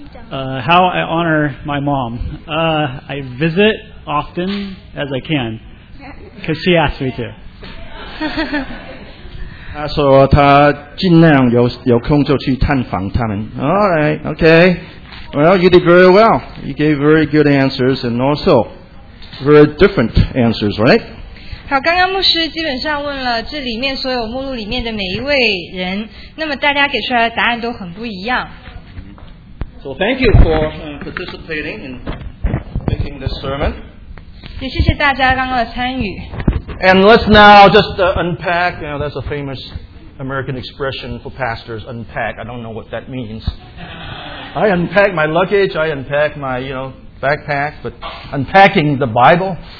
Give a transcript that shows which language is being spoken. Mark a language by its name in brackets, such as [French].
[English] How I honor my mom. I visit often as I can because she asked me to. [Chinese] 她说她尽量有空就去探访他们. [English] Alright, okay. Well, you did very well. You gave very good answers and also very different answers, right? [Chinese] 好, 刚刚牧师基本上问了这里面所有目录里面的每一位人, 那么大家给出来的答案都很不一样。 [English] So thank you for participating in making this sermon. [Chinese] 也谢谢大家刚刚的参与。 [English] And let's now just unpack, you know, that's a famous American expression for pastors, unpack. I don't know what that means. I unpack my luggage, I unpack my, you know, backpack, but unpacking the Bible.